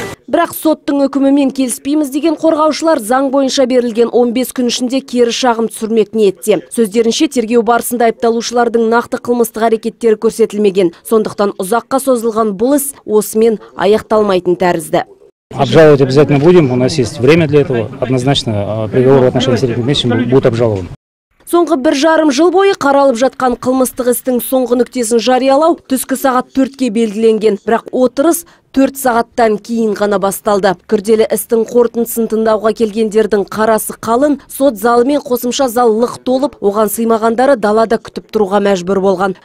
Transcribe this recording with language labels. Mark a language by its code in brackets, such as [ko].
[kk] Бірақ соттың үкімімен келіспейміз деген қорғаушылар заң бойынша берілген 15 күн ішінде кері шағым түсірмек ниетте. Сөздерінше тергеу барысында айыпталушылардың нақты қылмыстық әрекеттері көрсетілмеген. Сондықтан ұзаққа созылған бұл іс осымен аяқталмайтын тәрізді. [ru] Обжаловать обязательно будем, у нас есть время для этого. Однозначно приговор в отношении Серік Ахметовича будет обжалован. [kk] Соңғы 1,5 жыл бойы қаралып жатқан қылмыстық істің соңғы нүктесін жариялау түскі сағат 4-ке белгіленген, бірақ отырыс 4 сағаттан кейін ғана басталды. Күрделі істің қорытындысын тыңдауға келгендердің қарасы қалын, сот залымен қосымша зал лық толып, оған сыймағандары далада күтіп тұруға мәжбүр болған.